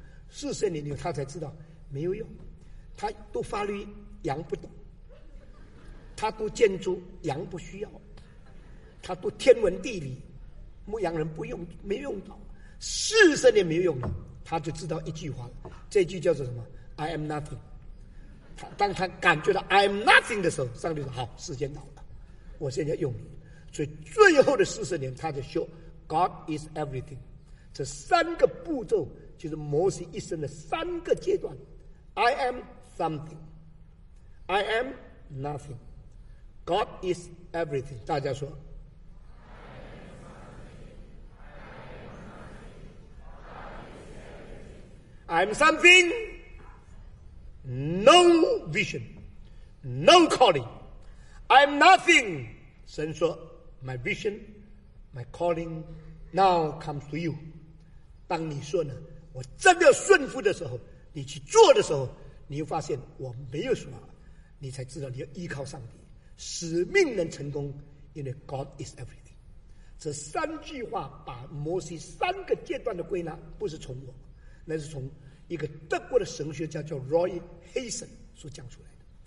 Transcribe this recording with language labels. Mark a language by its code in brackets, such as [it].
[zh] 40年他才知道没有用，他读法律羊不懂，他读建筑羊不需要，他读天文地理牧羊人不用，没用到。 40年没有用了，他就知道一句话，这句叫做什么？ [en] I am nothing。 [zh] 当他感觉到 [en] I am nothing [zh] 的时候，上帝说好，时间到了，我现在用你。所以最后的40年他就说 [en] God is everything。 [zh] 这三个步骤就是摩西一生的三个阶段， [en] I am something, I am nothing, God is everything。 [zh] 大家说 [en] I'm something, no vision, no calling. I'm nothing. [zh] 神说 [en] my vision, my calling now comes to you. [zh] 当你说呢，我真的要顺服的时候，你去做的时候，你又发现我没有什么，你才知道你要依靠上帝。使命能成功，因为 [en] God is everything. [zh] 这三句话把摩西三个阶段的归纳，不是从我，那是从一个德国的神学家叫 Roy Hazen 所讲出来的。